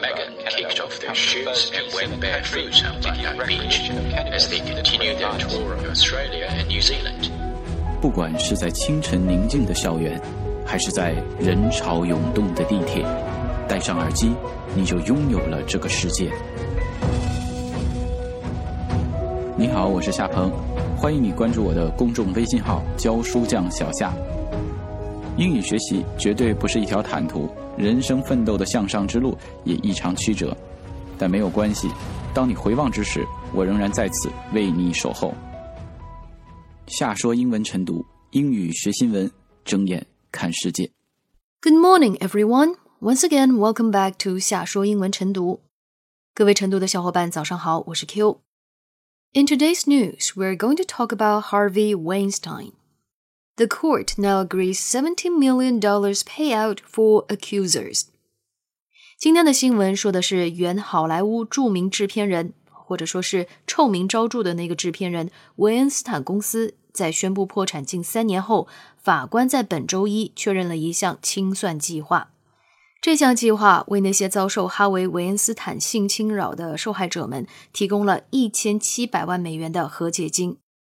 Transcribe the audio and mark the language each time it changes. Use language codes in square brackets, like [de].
[en] Megan kicked off their shoes and went barefoot on Bondi Beach as they continued their tour of Australia and New Zealand. [zh] 不管是在清晨宁静的校园，还是在人潮涌动的地铁，戴上耳机，你就拥有了这个世界。你好，我是夏鹏，欢迎你关注我的公众微信号“教书匠小夏”。英语学习绝对不是一条坦途，人生奋斗的向上之路也异常曲折，但没有关系，当你回望之时，我仍然在此为你守候。夏说英文晨读，英语学新闻，睁眼看世界。 [en] Good morning, everyone. Once again, welcome back to 夏说英文晨读。 [zh] 各位晨读的小伙伴，早上好，我是 Q。 [en] In today's news, we're going to talk about Harvey Weinstein. The court now agrees $70 million payout for accusers. [zh] 今天的新闻说的是原好莱坞著名制片人，或者说是臭名昭著的那个制片人，韦恩斯坦公司在宣布破产近三年后，法官在本周一确认了一项清算计划。这项计划为那些遭受哈维·韦恩斯坦性侵扰的受害者们提供了1700万美元的和解金。